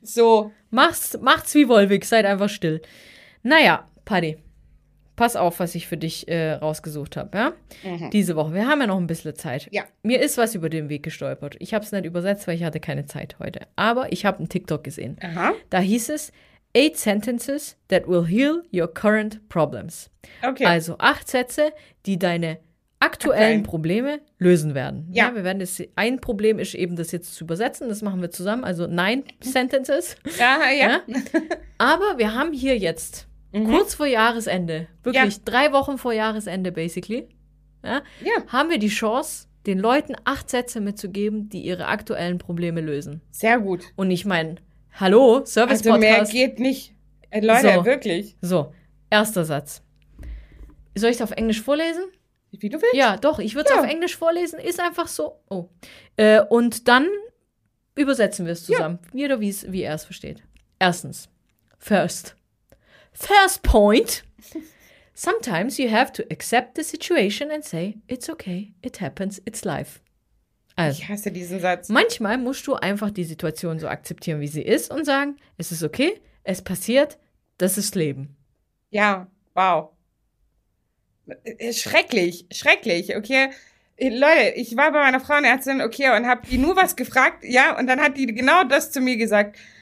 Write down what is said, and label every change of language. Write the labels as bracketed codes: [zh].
[de] So. Macht's wie Wolwig, seid einfach still. Naja, Paddy, pass auf, was ich für dich rausgesucht habe, ja? Diese Woche. Wir haben ja noch ein bisschen Zeit. Mir ist was über den Weg gestolpert. Ich habe es nicht übersetzt, weil ich hatte keine Zeit heute. Aber ich habe einen TikTok gesehen. Da hieß es: [en] 8 Sentences that will heal your current problems. [de] Okay. Also 8 Sätze, die deine aktuellen Aktuell. Probleme lösen werden. Ja, Ja. wir werden das, ein Problem ist eben, das jetzt zu übersetzen. Das machen wir zusammen. Also 9 Sentences. Ja. Ja? Aber wir haben hier jetzt kurz vor Jahresende, Ja. wirklich 3 Wochen vor Jahresende, basically, ja, Ja. haben wir die Chance, den Leuten 8 Sätze mitzugeben, die ihre aktuellen Probleme lösen. Sehr gut. Und ich meine, hallo, Also mehr Service-Podcast. geht nicht. Leute, So, wirklich. erster Satz. Soll ich es auf Englisch vorlesen? Wie du willst. Ja, doch, ich würde es auf Ja. Englisch vorlesen, ist einfach so. Oh. Und dann übersetzen wir es zusammen. Jeder, wie er es versteht. Erstens. [en] First point. Sometimes you have to accept the situation and say, it's okay, it happens, it's life. [de] Ich Also, hasse diesen Satz. manchmal musst du einfach die Situation so akzeptieren, wie sie ist und sagen, es ist okay, es passiert, das ist Leben. Ja, wow. Schrecklich, schrecklich, okay. Leute, ich war bei meiner Frauenärztin, okay, und habe die nur was gefragt, ja, und dann hat die genau das zu mir gesagt.